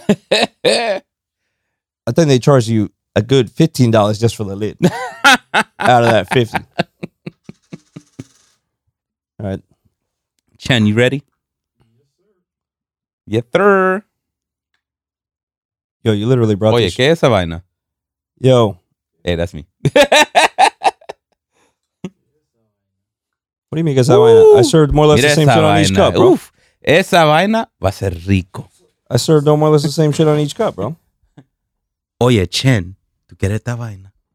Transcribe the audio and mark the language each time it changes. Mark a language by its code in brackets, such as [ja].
[en] I think they charge you a good $15 just for the lid. Out of that 50. All right. Chen, you ready? Yes, sir. Yo, you literally brought this. [es] Oye, ¿qué es esa vaina? [en] Yo. Hey, that's me. What do you mean, [es] ¿qué es esa vaina? [en] I served more or less the same shit on each cup, bro. Oof. [es] Esa vaina va a ser rico. [en] I served no more or less the same shit on each cup, bro. [es] Oye, Chen, ¿tú quieres esta vaina?